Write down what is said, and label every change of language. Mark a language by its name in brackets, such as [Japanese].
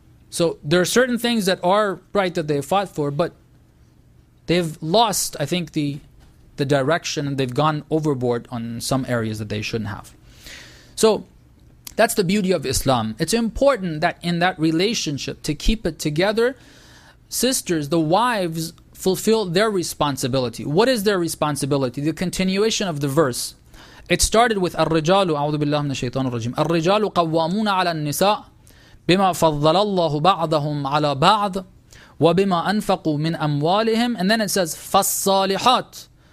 [English] So there are certain things that are right that they fought for, but they've lost, I think, the direction, and they've gone overboard on some areas that they shouldn't have. So that's the beauty of Islam. It's important that in that relationship, to keep it together, sisters, the wives, fulfill their responsibility. What is their responsibility? The continuation of the verse. It started with [Arabic] الرِّجَالُ أَعُوذُ بِاللَّهِ مِنَ الشَّيْطَانِ الرَّجِيمِ الرِّجَالُ قَوَّامُونَ عَلَى النِّسَاءِ بِمَا فَضَّلَ اللَّهُ بَعْضَهُمْ عَلَى بَعْضٍ وَبِمَا أَنفَقُوا مِنْ أَمْوَالِهِمْ. [English] And then it says فَالصَّالِحَاتِ.